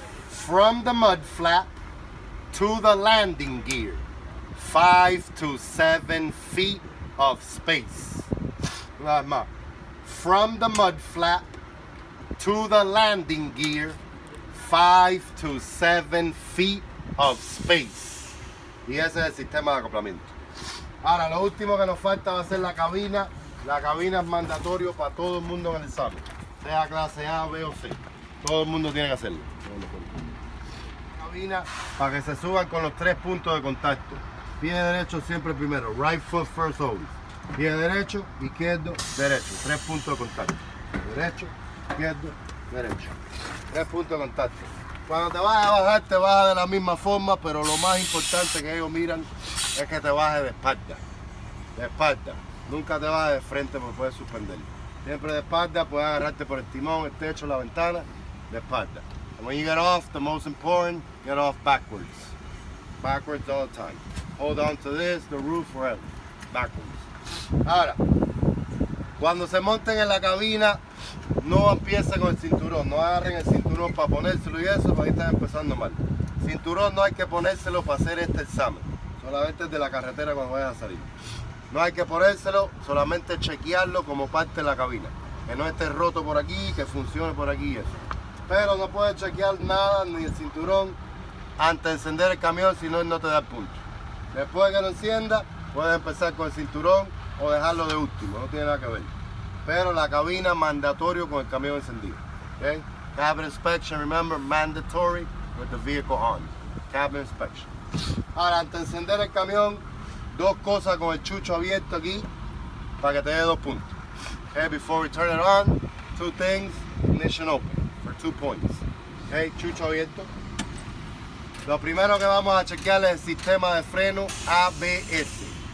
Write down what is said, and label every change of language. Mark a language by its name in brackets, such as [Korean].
[English] From the mud flap, to the landing gear, 5 to 7 feet of space. [Spanish] Una vez más. [English] From the mud flap, to the landing gear, 5 to 7 feet of space. [Spanish] Y ese es el sistema de acoplamiento. Ahora, lo último que nos falta va a ser la cabina. La cabina es mandatorio para todo el mundo en el examen. Sea clase A, B o C. Todo el mundo tiene que hacerlo. Cabina, para que se suban con los tres puntos de contacto. Pie derecho siempre primero. [English] Right foot first always. [Spanish] Pie derecho, izquierdo, derecho. Tres puntos de contacto. Derecho, izquierdo, derecho. Tres puntos de contacto. Cuando te vas a bajar, te baja de la misma forma, pero lo más importante que ellos miran es que te bajes de espalda. De espalda. Nunca te bajes de frente porque puedes suspender. Siempre de espalda, puedes agarrarte por el timón, el techo, la ventana, de espalda. [English] And when you get off, the most important, get off backwards. Backwards all the time. Hold on to this, the roof, forever. Backwards. [Spanish] Ahora, cuando se monten en la cabina, no empiecen con el cinturón, no agarren el cinturón para ponérselo y eso, ahí están empezando mal. Cinturón no hay que ponérselo para hacer este examen, solamente desde la carretera cuando vayan a salir. No hay que ponérselo, solamente chequearlo como parte de la cabina. Que no esté roto por aquí, que funcione por aquí y eso. Pero no puedes chequear nada, ni el cinturón, antes de encender el camión, si no, no te da el punto. Después que lo encienda, puedes empezar con el cinturón o dejarlo de último, no tiene nada que ver. Pero la cabina mandatorio con el camión encendido. [English] Okay? Cabin inspection, remember, mandatory with the vehicle on. Cabin inspection. [Spanish] Ahora, antes de encender el camión, dos cosas con el chucho abierto aquí para que te dé dos puntos. [English] Okay, before we turn it on, two things, ignition open for 2 points. Okay, [Spanish] chucho abierto. Lo primero que vamos a chequear es el sistema de freno ABS.